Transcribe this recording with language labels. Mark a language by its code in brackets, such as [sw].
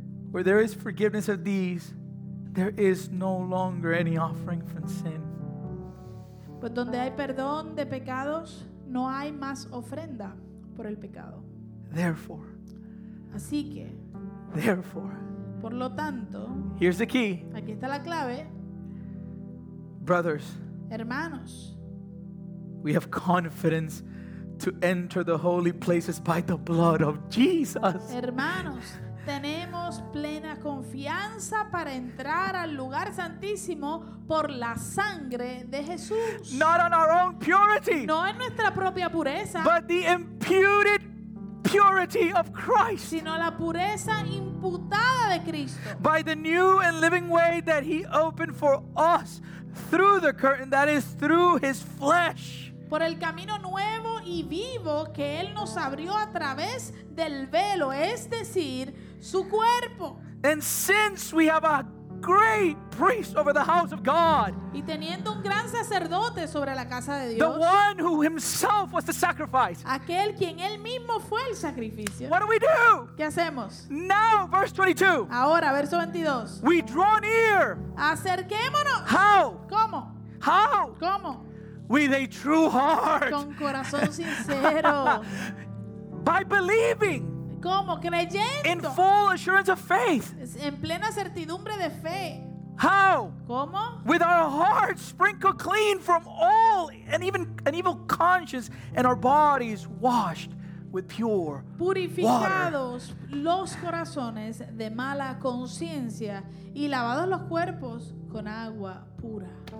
[en] Where there is forgiveness of these, there is no longer any offering for sin. [es] Pues donde hay perdón de pecados, no hay más ofrenda por el pecado. [en] Therefore. [es] Así que. [en] Therefore. [es] Por lo tanto. [en] Here's the key. [es] Aquí está la clave. [en] Brothers. [es] Hermanos. [en] We have confidence to enter the holy places by the blood of Jesus. [es] Hermanos, tenemos plena confianza para entrar al lugar santísimo por la sangre de Jesús. [en] Not on our own purity. [es] No en nuestra propia pureza. [en] But the imputed purity of Christ. [es] Sino la pureza imputada de Cristo. [en] By the new and living way that he opened for us through the curtain, that is through his flesh. [es] Por el camino nuevo y vivo que él nos abrió a través del velo, es decir, su cuerpo. [en] And since we have a great priest over the house of God. [es] Y teniendo un gran sacerdote sobre la casa de Dios. [en] The one who himself was the sacrifice. [es] Aquel quien él mismo fue el sacrificio. [en] What do we do? [es] ¿Qué hacemos? [en] Now, verse 22. [es] Ahora, verso 22. [en] We draw near. [es] Acerquémonos. [en] How? [es] ¿Cómo? [en] How? [es] ¿Cómo? [en] With a true heart. [es] Con corazón sincero. [en] By believing. [es] ¿Cómo? Creyendo. [en] In full assurance of faith. [es] En plena certidumbre de fe. [en] How? [es] ¿Cómo? [en] With our hearts sprinkled clean from all and even an evil conscience, and our bodies washed with pure water. [es] Purificados los corazones de mala conciencia y lavados los cuerpos con agua pura.